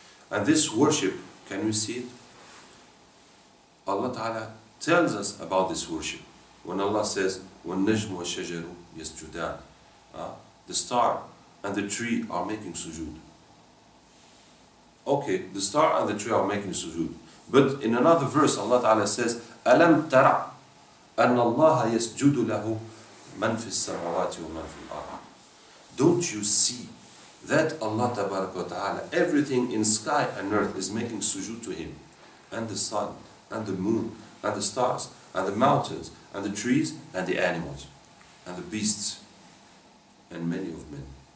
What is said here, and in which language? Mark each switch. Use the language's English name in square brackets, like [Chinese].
[English] And this worship, can we see it? Allah Ta'ala tells us about this worship. When Allah says, [Arabic] وَالنَّجْمُ وَالشَّجَرُ يَسْجُدَانِ, [English] the star and the tree are making sujood. Okay, the star and the tree are making sujood. But in another verse, Allah Ta'ala says, [Arabic] أَلَمْ تَرَعْ أَنَّ اللَّهَ يَسْجُدُ لَهُ مَنْ فِي السَّمَوَاتِ وَمَنْ فِي الْأَرْضِ. [English] Don't you see that Allah Ta'ala, everything in sky and earth is making sujood to Him, and the sun, and the moon, and the stars, and the mountains, and the trees, and the animals, and the beasts, and many of men.